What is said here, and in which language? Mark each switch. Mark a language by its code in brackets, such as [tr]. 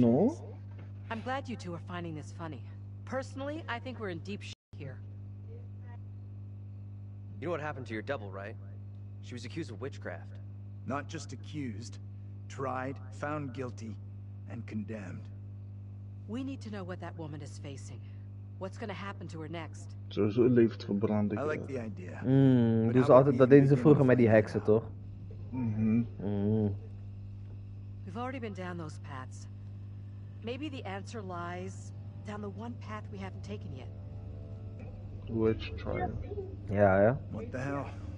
[en] No? I'm glad you two are finding this funny. Personally, I think we're in deep shit here. You know what happened to your double, right? She was accused of witchcraft. Not just accused. Tried, found guilty, and condemned. We need to know what that woman is facing. What's gonna happen to her next? [nl] Sowieso leeft verbrand ik. [en] I like the idea. [nl] Dus altijd, dat deden ze vroeger met die heksen, toch? [en] We've already been down those paths. Maybe the answer lies down the one path we haven't taken yet. Witch trial. Yeah, yeah. What the hell?